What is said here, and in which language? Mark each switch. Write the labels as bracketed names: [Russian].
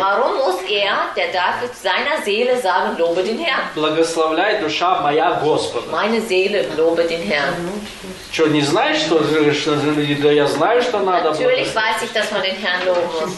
[German] Warum muss der David seiner Seele sagen, lobe den Herrn? [Russian] Благословляй, душа моя, Господа. [German] Meine Seele lobe den Herrn. [Russian] Что, не знаешь, что да я знаю, что надо. [German] Natürlich weiß ich, dass man den Herrn loben muss.